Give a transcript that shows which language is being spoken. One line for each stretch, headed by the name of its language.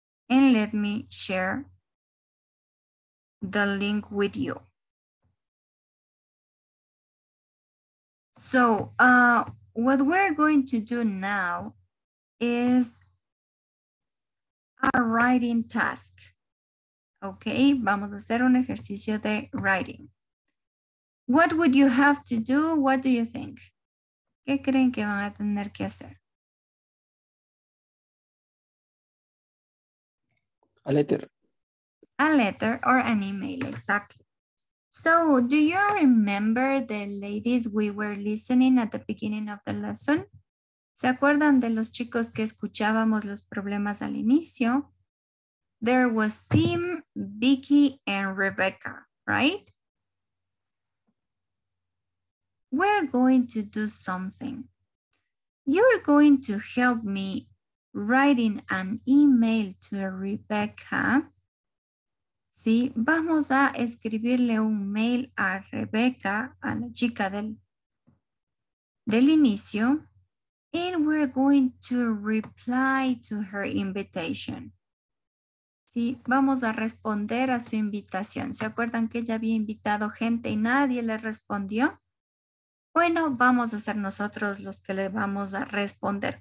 English: And let me share the link with you. So, what we're going to do now is a writing task. Okay,
Spanish: vamos a hacer un ejercicio de writing.
English: What would you have to do? What do you think?
Spanish: ¿Qué creen que van a tener que hacer?
English: A letter. A letter or an email, exactly. So, do you remember the ladies we were listening at the beginning of the lesson?
Spanish: ¿Se acuerdan de los chicos que escuchábamos los problemas al inicio?
English: There was Tim, Vicky, and Rebecca, right? We're going to do something. You're going to help me writing an email to Rebecca.
Spanish: Sí, vamos a escribirle un mail a Rebecca, a la chica del inicio.
English: And we're going to reply to her invitation.
Spanish: Sí, vamos a responder a su invitación. ¿Se acuerdan que ella había invitado gente y nadie le respondió? Bueno, vamos a ser nosotros los que le vamos a responder.